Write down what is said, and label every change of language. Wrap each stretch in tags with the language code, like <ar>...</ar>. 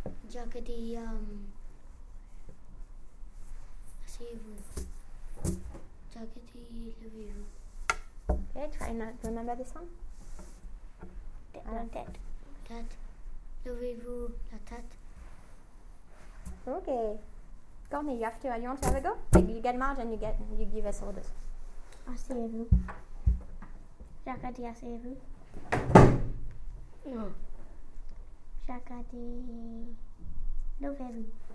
<fr>Jacques dit asseyez-vous. Jacques dit levez-vous.</fr> <en>Okay, try not remember this one.</en> <fr>La tête. Levez-vous la tête.</fr> <en>Okay. Come here, you want to have a go? Maybe you get Marge and you give us orders.</en> <fr>Asseyez-vous. Jacques dit asseyez-vous. Non. Jacques a dit levez-vous.</fr>